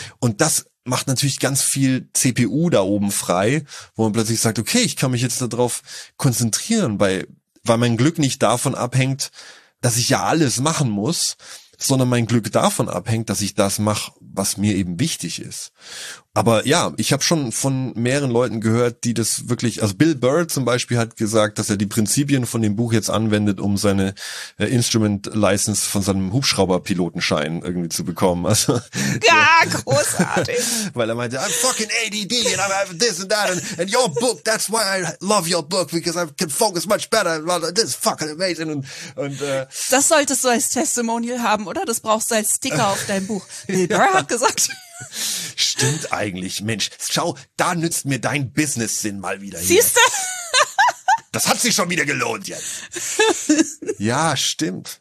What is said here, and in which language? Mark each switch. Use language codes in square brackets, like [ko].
[de] Und das macht natürlich ganz viel CPU da oben frei, wo man plötzlich sagt, okay, ich kann mich jetzt darauf konzentrieren, weil mein Glück nicht davon abhängt, dass ich ja alles machen muss, sondern mein Glück davon abhängt, dass ich das mache, was mir eben wichtig ist. Aber ja, ich habe schon von mehreren Leuten gehört, die das wirklich, also Bill Burr zum Beispiel hat gesagt, dass er die Prinzipien von dem Buch jetzt anwendet, um seine Instrument License von seinem Hubschrauberpilotenschein irgendwie zu bekommen. Also, ja, großartig. Weil er meinte, [en] I'm fucking ADD and I have this and that and your book, that's why I love your book, because I can focus much better. This is fucking amazing. [de] Das solltest du als Testimonial haben, oder? Das brauchst du als Sticker auf deinem Buch. Bill Burr hat gesagt... Stimmt eigentlich, Mensch. Schau, da nützt mir dein Business-Sinn mal wieder. Siehst du? Das hat sich schon wieder gelohnt jetzt. Ja, stimmt.